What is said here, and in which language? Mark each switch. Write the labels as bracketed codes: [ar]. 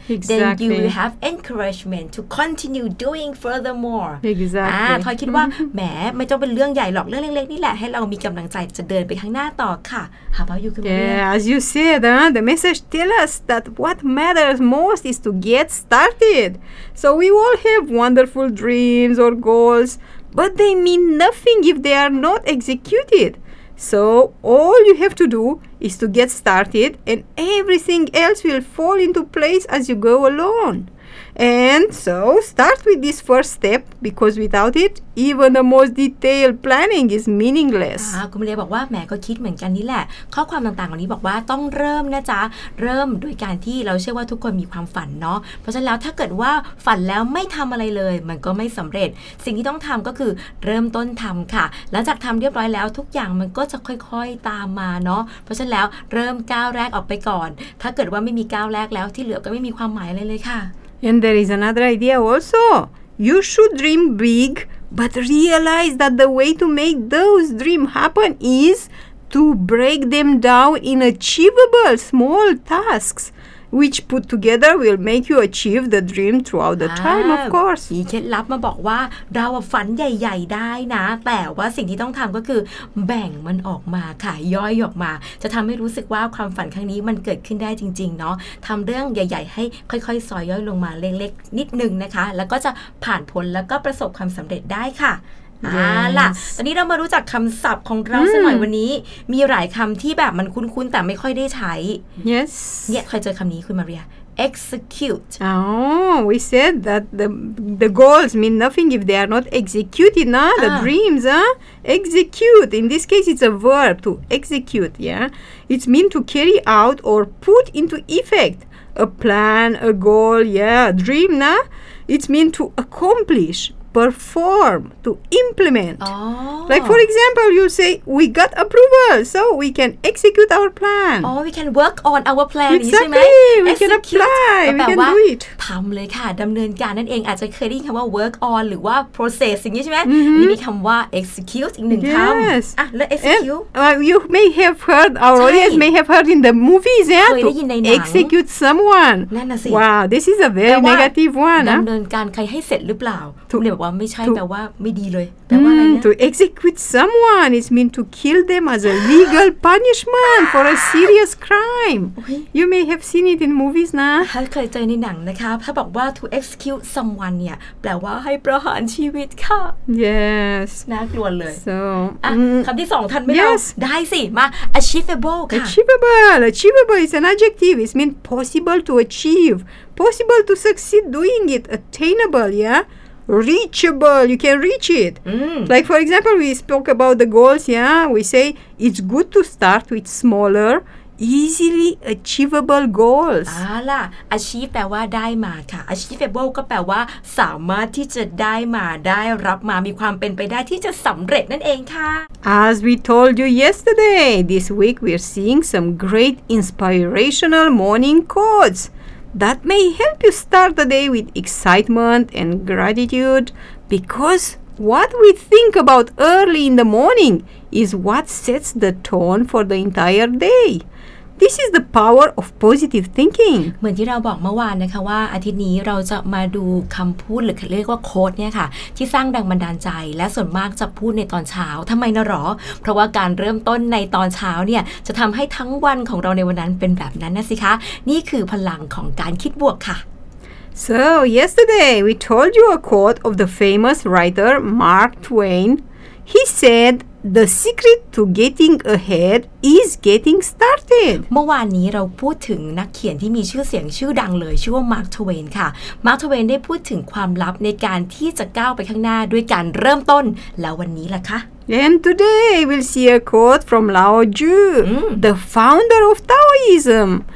[en] Exactly. Then you will have encouragement to continue doing furthermore. Exactly. [th] Toy คิดว่าแหมไม่ต้องเป็นเรื่องใหญ่หรอกเรื่องเล็กๆนี่แหละให้เรามีกำลังใจจะเดินไปข้างหน้าต่อค่ะ [en] How about you, Kumari? Yeah, as you said, the message tells us that what matters most is to get started. So we all have wonderful dreams or goals. But they mean nothing if they are not executed. So all you have to do is to get started and everything else will fall into place as you go along. And so start with this first step because without it, even the most detailed planning is meaningless. [th] คุณเรียบอกว่าแหมก็คิดเหมือนกันนี่แหละข้อความต่างๆเหล่านี้บอกว่าต้องเริ่มนะจ๊ะเริ่มโดยการที่เราเชื่อว่าทุกคนมีความฝันเนาะเพราะฉะนั้นแล้วถ้าเกิดว่าฝันแล้วไม่ทำอะไรเลยมันก็ไม่สำเร็จสิ่งที่ต้องทำก็คือเริ่มต้นทำค่ะหลังจากทำเรียบร้อยแล้วทุกอย่างมันก็จะค่อยๆตามมาเนาะเพราะฉะนั้นแล้วเริ่มก้าวแรกออกไปก่อนถ้าเกิดว่าไม่มีก้าวแรกแล้วที่เหลือก็ไม่มีความหมายอะไรเลยค่ะ [en] And there is another idea also. You should dream big, but realize that the way to make those dreams happen is to break them down in achievable small tasks. Which put together will make you achieve the dream throughout the time, of course. [th] มีเคล็ดลับมาบอกว่าเราฝันใหญ่ๆได้นะแต่ว่าสิ่งที่ต้องทำก็คือแบ่งมันออกมาค่ะย่อยออกมาจะทำให้รู้สึกว่าความฝันครั้งนี้มันเกิดขึ้นได้จริงๆเนาะทำเรื่องใหญ่ๆให้ค่อยๆซอยย่อยลงมาเล็กๆนิดนึงนะคะแล้วก็จะผ่านพ้นแล้วก็ประสบความสำเร็จได้ค่ะ [en] Yes. [th] ล่ะตอนนี้เรามารู้จักคำศัพท์ของเราสักหน่อยวันนี้มีหลายคำที่แบบมันคุ้นๆแต่ไม่ค่อยได้ใช้ [en] Yes [th] เนี่ยใครเจอคำนี้คุณมาเรีย execute [en] Oh we said that the goals mean nothing if they are not executed นะ the dreams execute in this case it's a verb to execute yeah it's mean to carry out or put into effect a plan a goal yeah a dream นะ it's mean to accomplishperform to implement like for example you say we got approval so we can execute our plan oh we can work on our plan exactly we can apply we can do it [th] ทำเลยค่ะดำเนินการนั่นเองอาจจะเคยได้ยินคำว่า work on หรือว่า process อย่างนี้ใช่ไหมนี่มีคำว่า execute อีกหนึ่งคำอ่ะและ execute [en] you may have heard our audience may have heard in the movies yeah to execute someone wow this is a very negative one [th] ดำเนินการใครให้เสร็จหรือเปล่า ถูก เรียก ว่าไม่ใช่แปลว่าไม่ดีเลยแปลว่าอะ [en] ไรนะ To execute someone is mean to kill them as a legal punishment for a serious crime You may have seen it in movies นะ [th] เคยเจอในหนังนะคะถ้าบอกว่า [en] to execute someone [th] เนี่ยแปลว่าให้ประหารชีวิตค่ะ [en] Yes [th] น่ากลัวเลย [en] So [th] คำที่สองทันไหมเราได้สิมา achievable ค่ะ [en] achievable is an adjective it means possible to achievePossible to succeed doing it, attainable, yeah? Reachable, you can reach it. Like, for example, we spoke about the goals, yeah? We say it's good to start with smaller, easily achievable goals. [th] Achieve แปลว่าได้มาค่ะ.Achievable ก็แปลว่าสามารถที่จะได้มาได้รับมามีความเป็นไปได้ที่จะสำเร็จนั่นเองค่ะ. [en] As we told you yesterday, this week we're seeing some great inspirational morning quotes. That may help you start the day with excitement and gratitude because what we think about early in the morning is what sets the tone for the entire day. This is the power of positive thinking. [th] เหมือนที่เราบอกเมื่อวานนะคะว่าอาทิตย์นี้เราจะมาดูคำพูดหรือเรียกว่าโค้ดเนี่ยค่ะที่สร้างแรงบันดาลใจและส่วนมากจะพูดในตอนเช้าทำไมนะหรอเพราะว่าการเริ่มต้นในตอนเช้าเนี่ยจะทำให้ทั้งวันของเราในวันนั้นเป็นแบบนั้นนะสิคะนี่คือพลังของการคิดบวกค่ะ [en] So yesterday we told you a quote of the famous writer Mark Twain. He said. The secret to getting ahead is getting started. [th] เมื่อวานนี้เราพูดถึงนักเขียนที่มีชื่อเสียงชื่อดังเลยชื่อว่ามาร์คทเวนค่ะมาร์คทเวนได้พูดถึงความลับในการที่จะก้าวไปข้างหน้าด้วยการเริ่มต้นแล้ววันนี้ล่ะคะ [en] And today we'll see a quote from Lao Tzu, the founder of Taoism.